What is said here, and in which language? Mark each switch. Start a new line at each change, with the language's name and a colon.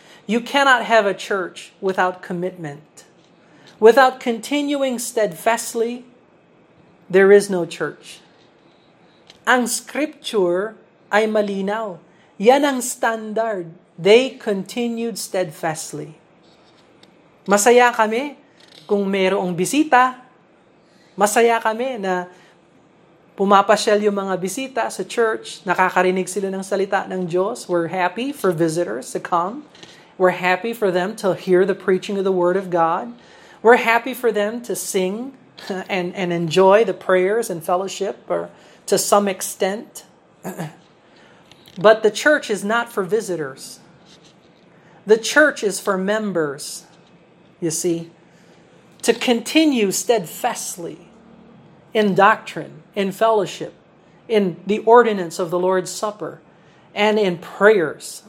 English: You cannot have a church without commitment. Without continuing steadfastly, there is no church.
Filipino: Ang scripture ay malinaw. Yan ang standard.
English: They continued steadfastly.
Filipino: Masaya kami kung mayroong bisita. Masaya kami na pumapasyal yung mga bisita sa church. Nakakarinig sila ng salita ng Diyos.
English: We're happy for visitors to come. We're happy for them to hear the preaching of the Word of God. We're happy for them to sing and enjoy the prayers and fellowship or to some extent. But the church is not for visitors. The church is for members, you see, to continue steadfastly in doctrine, in fellowship, in the ordinance of the Lord's Supper, and in prayers.